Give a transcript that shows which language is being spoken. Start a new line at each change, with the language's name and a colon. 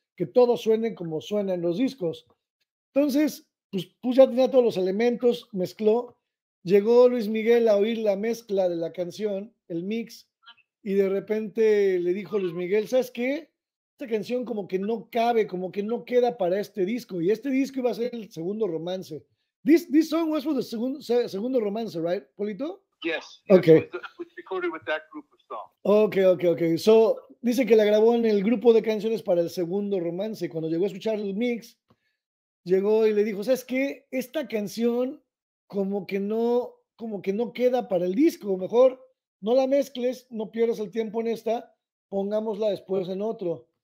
Spanish: Que todo suene como suena en los discos. Entonces, pues ya tenía todos los elementos, mezcló. Llegó Luis Miguel a oír la mezcla de la canción, el mix, y de repente le dijo Luis Miguel, ¿sabes qué? Esta canción como que no cabe, como que no queda para este disco. Y este disco iba a ser el segundo romance.
English: This song was for the segundo romance, right, Polito? Yes. Okay. With that group of songs. Okay.
Spanish: So, dice que la grabó en el grupo de canciones para el segundo romance. Cuando llegó a escuchar el mix, llegó y le dijo, ¿sabes qué? Esta canción como que no queda para el disco. Mejor no la mezcles, no pierdas el tiempo en esta, pongámosla después en otro.